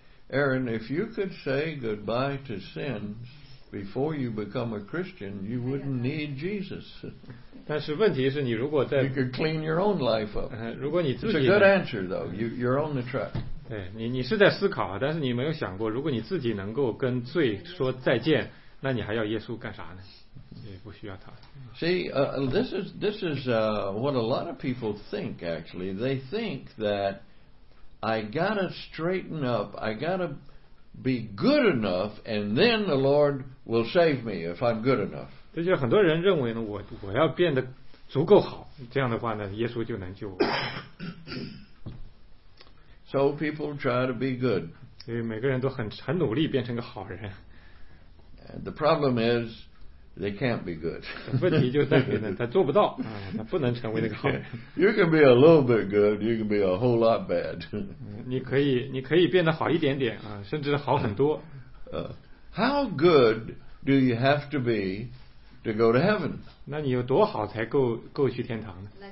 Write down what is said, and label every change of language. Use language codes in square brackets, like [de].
[en] Aaron, if you could say goodbye to sin before you become a Christian, you wouldn't need Jesus. [zh] 但是问题是你如果在 [en] You could clean your own life up. [zh] 如果你自己 [en] It's a good answer though. You're on the track. [zh] 对，你是在思考，但是你没有想过，如果你自己能够跟罪说再见，那你还要耶稣干啥呢？也不需要他。 [en] See, this is what a lot of people think actually. They think that I gotta straighten up, I gotta be good enough, and then the Lord will save me if I'm good enough. [zh] 这就很多人认为呢，我要变得足够好，这样的话呢，耶稣就能救我。 [en] So people try to be good. [zh] 所以每个人都很努力变成个好人。 [en] The problem is. They can't be good. [zh] 问题就在于呢，他做不到啊，他不能成为那个好人。 [en] You can be a little bit good. You can be a whole lot bad. [zh] 你可以变得好一点点啊，甚至好很多。 [en] How good do you have to be to go to heaven? [zh] 那你有多好才够去天堂呢